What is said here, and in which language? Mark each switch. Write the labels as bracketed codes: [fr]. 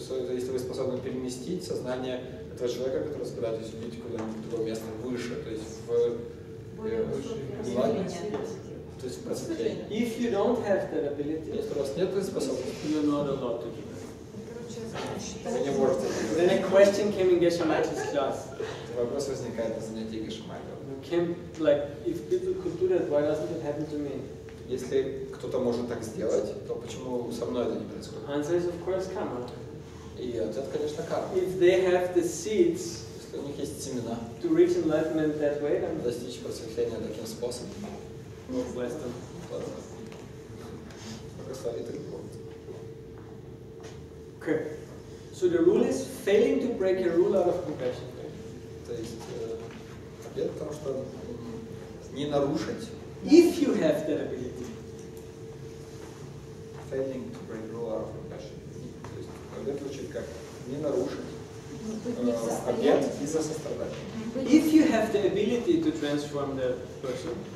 [ru] Если вы способны переместить сознание этого человека, который собирается убить куда-нибудь в другое место выше, то есть в просветление. То есть в просветление. [en] If you don't have that ability, [ru] если у вас нет этой способности, [en] you're not allowed to do that. [ru] Вы не можете. [en] Then a question came in Geshe Magyar's class. [ru] Вопрос возникает на занятии Geshe Magyar. [en] If people could do that, why doesn't it happen to me? [ru] Если кто-то может так сделать, то почему со мной это не происходит? [en] Answer is of course karma. [ru] И ответ, конечно, карма. [en] If they have the seeds, [ru] если у них есть семена, [en] to reach enlightenment that way, then [ru] достичь просветления таким способом. [en] God bless them. [ru] Благослови ты. [en] Okay. So the rule is failing to break a rule out of compassion. [ru] То есть ответ в том, что не нарушить. [en] If you have that ability, failing to bring rule out of compassion. [ru] То есть, когда звучит как не нарушить обет из-за сострадания. [en] If you have the ability to transform the person,